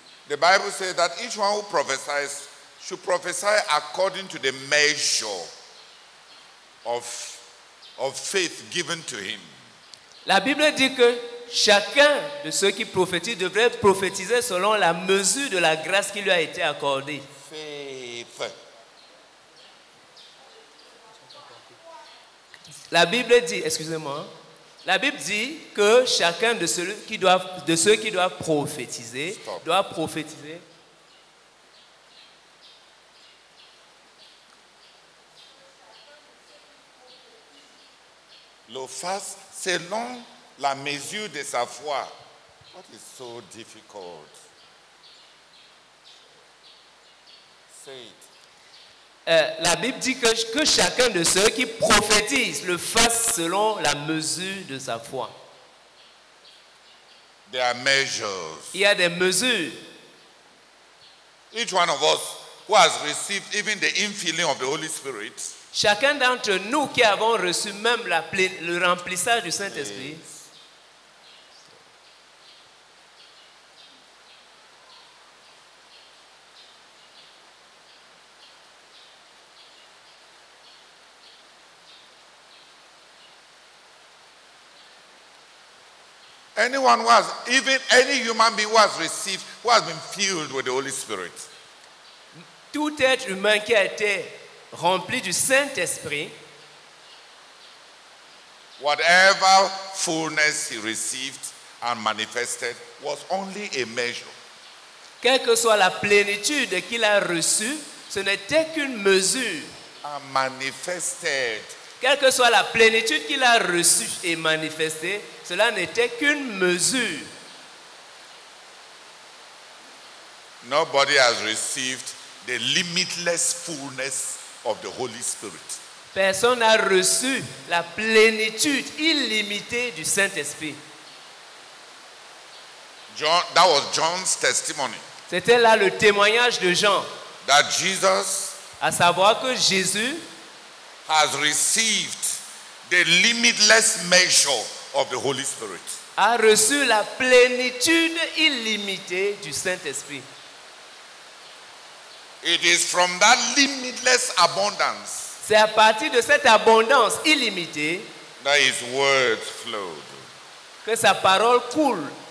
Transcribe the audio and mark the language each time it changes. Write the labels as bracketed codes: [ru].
[en] the Bible says that each one who prophesies should prophesy according to the measure of faith given to him. [fr] La Bible dit que chacun de ceux qui prophétisent devrait prophétiser selon la mesure de la grâce qui lui a été accordée. [en] Faith. [fr] La Bible dit, excusez-moi, la Bible dit que chacun de ceux qui doivent prophétiser, [en] stop, [fr] doit prophétiser. Le fasse selon la mesure de sa foi. [en] What is so difficult? Say it. [fr] La Bible dit que chacun de ceux qui prophétisent le fasse selon la mesure de sa foi. [en] There are measures. [fr] Il y a des mesures. [en] Each one of us who has received even the infilling of the Holy Spirit. [fr] Chacun d'entre nous qui avons reçu même le remplissage du Saint-Esprit. [en] Yes. Anyone who has, even any human being who has received, who has been filled with the Holy Spirit. [fr] Tout être humain qui a été rempli du Saint-Esprit. [en] Whatever fullness he received and manifested was only a measure. [fr] Quelle que soit la plénitude qu'il a reçue, ce n'était qu'une mesure. [en] And manifested. [fr] Quelle que soit la plénitude qu'il a reçue et manifestée, cela n'était qu'une mesure. [en] Nobody has received the limitless fullness of the Holy Spirit. [fr] Personne n'a reçu la plénitude illimitée du Saint-Esprit. [en] John, that was John's testimony. [fr] C'était là le témoignage de Jean. [en] That Jesus, [fr] à savoir que Jésus, [en] has received the limitless measure of the Holy Spirit. [fr] A reçu la plénitude illimitée du Saint-Esprit. [en] It is from that limitless abundance. [fr] C'est à partir de cette abondance illimitée [en] that his word flowed. [fr] Que sa parole coule.